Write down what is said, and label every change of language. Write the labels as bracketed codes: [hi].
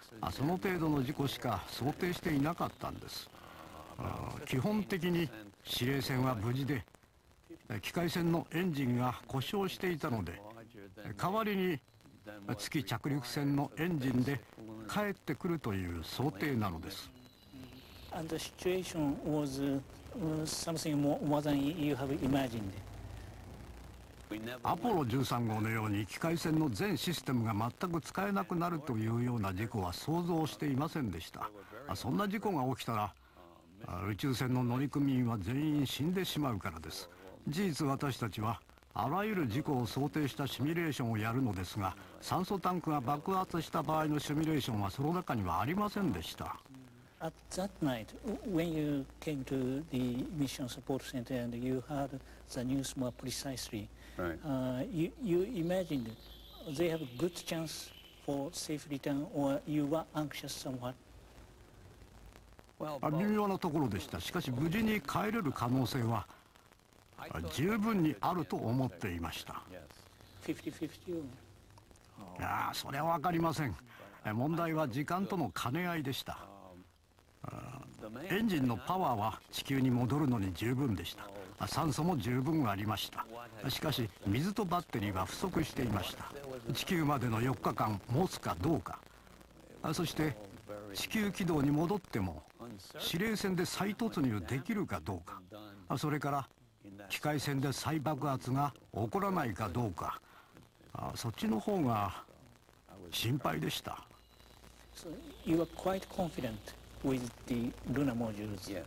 [ja] その程度の事故しか想定していなかったんです。基本的に司令船は無事で、機械船のエンジンが故障していたので、代わりに月着陸船のエンジンで帰ってくるという想定なのです。 [en] And the situation was something more than you have imagined。 [ja] アポロ13号のように機械船の全システムが全く使えなくなるというような事故は想像していませんでした。そんな事故が起きたら宇宙船の乗組員は全員死んでしまうからです。事実私たちはあらゆる事故を想定したシミュレーションをやるのですが、酸素タンクが爆発した場合のシミュレーションはその中にはありませんでした。 [en] At that night, when you came to the mission support center and you heard the news more precisely, you imagined they have a good chance for safe return, or you were anxious somewhat? [ja] Well, 微妙なところでした。しかし無事に帰れる可能性は十分にあると思っていました。 [en] 50-50? [ja] いやそれは分かりません。問題は時間との兼ね合いでした。エンジンのパワーは地球に戻るのに十分でした。酸素も十分ありました。しかし水とバッテリーは不足していました。地球までの4日間持つかどうか、そして地球軌道に戻っても司令船で再突入できるかどうか、それから機械船で再爆発が起こらないかどうか、そっちの方が心配でした。 [en] You are quite confidentWith the lunar module's ability.